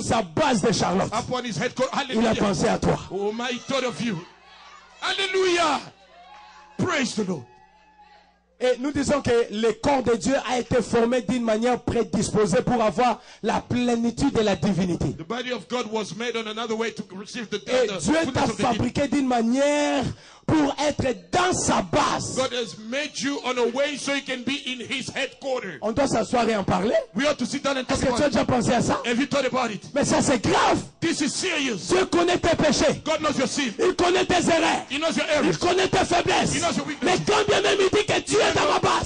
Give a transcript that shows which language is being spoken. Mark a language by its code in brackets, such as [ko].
[fr] Sur sa base de Charlotte. [en] Upon his headquarters. Hallelujah. [fr] Il a pensé à toi. [en] Oh my, he thought of you. Hallelujah. Praise the Lord. [fr] Et nous disons que le corps de Dieu a été formé d'une manière prédisposée pour avoir la plénitude de la divinité. [en] The body of God was made on another way to receive the [fr] et Dieu t'a fabriqué d'une manière pour être dans sa base. [en] God has made you on a way so you can be in his headquarters. [fr] On doit s'asseoir et en parler. [en] We ought to sit down and talk. [fr] Est-ce que tu as déjà pensé à ça? [en] Have you thought about it? [fr] Mais ça c'est grave. [en] This is serious. [fr] Dieu connaît tes péchés. [en] God knows your sin. [fr] Il connaît tes erreurs. [en] He knows your errors. [fr] Il connaît tes faiblesses. [en] He knows your weaknesses. [fr] Mais quand bien même il dit que tu es dans ma base.